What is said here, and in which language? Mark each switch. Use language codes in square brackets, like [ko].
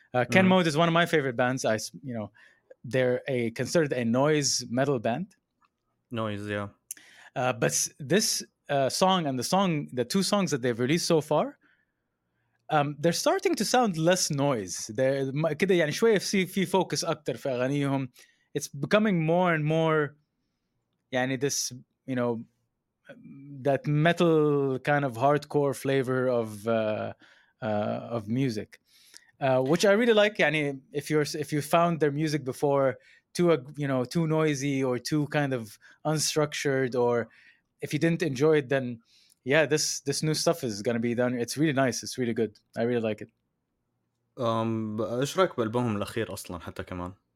[en] Ken Mode is one of my favorite bands. They're considered a noise metal band. Noise, yeah. But this song and the two songs that they've released so far, they're starting to sound less noise. [ar] They're كده يعني شوية في focus أكتر في أغانيهم. [en] It's becoming more and more, يعني this you know that metal kind of hardcore flavor of music, which I really like. يعني if you found their music before too noisy or too kind of unstructured, or if you didn't enjoy it, then yeah, this new stuff is gonna be done. It's really nice. It's really good. I really like it. [ar] إيش رأيك بالألبوم الأخير أصلاً حتى كمان؟